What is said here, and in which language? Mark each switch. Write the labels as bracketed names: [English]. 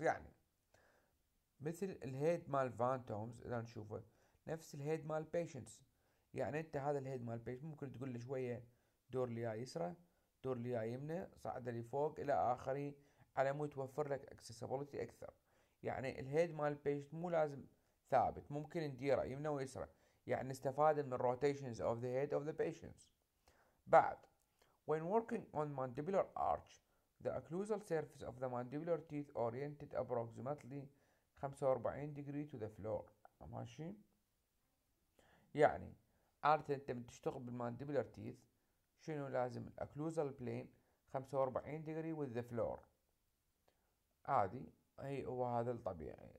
[Arabic] يعني مثل الهيد مال فانتومز، إذا نشوفه نفس الهيد مال بيشنتس، يعني انت هذا الهيد مال بيش ممكن تقول له شويه دور لي يسرى، دور لي يمنى، صعد لي فوق الى اخره، على مود توفر لك اكسسبيليتي اكثر. يعني الهيد مال بيش مو لازم ثابت، ممكن نديره يمنى ويسرى، يعني نستفاد من روتيشنز اوف ذا هيد اوف ذا بيشنتس. بعد [English] when working on mandibular arch the occlusal surface of the mandibular teeth oriented approximately 45 degree to the floor. [Arabic] ماشي، يعني عادة انت من تشتغل بالمانديبولر تيث شنو لازم الاكلوزال بلين 45 ديجري [English] with the floor [Arabic] عادي، اي هو هذا الطبيعي.